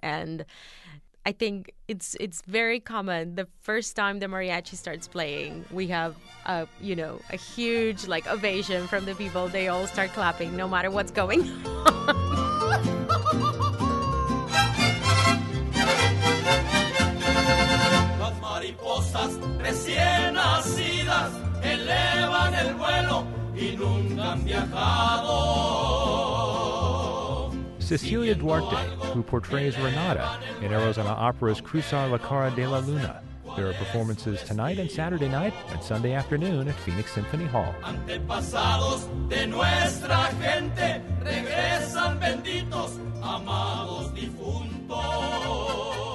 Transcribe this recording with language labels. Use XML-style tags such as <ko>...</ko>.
<en>And I think it's very common. The first time the mariachi starts playing, we have a, you know, a huge like ovation from the people. They all start clapping no matter what's going on.</en> <es>Mariposas recién nacidas elevan el vuelo y nunca han viajado.</es> <en>Cecilia Duarte, who portrays Renata in Arizona Opera's Cruzar la Cara de la Luna. There are performances tonight and Saturday night and Sunday afternoon at Phoenix Symphony Hall.</en> <es>Antepasados de nuestra gente regresan benditos, amados difuntos.</es>